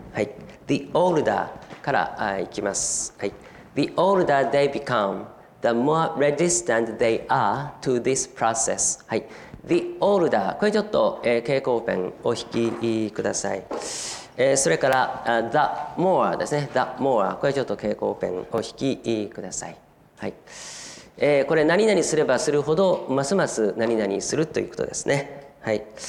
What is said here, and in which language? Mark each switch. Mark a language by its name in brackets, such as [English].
[Japanese] はい、 [English] The older [Japanese] からいきます。 [English] はい、The older they become, the more resistant they are to this process. [Japanese] はい、 [English] The older、 [Japanese] これちょっと、蛍光ペンを引きください、それから、 [English] The more [Japanese] ですね。 [English] The more、 [Japanese] これちょっと蛍光ペンを引きください、はい、これ何々すればするほどますます何々するということですね、はい。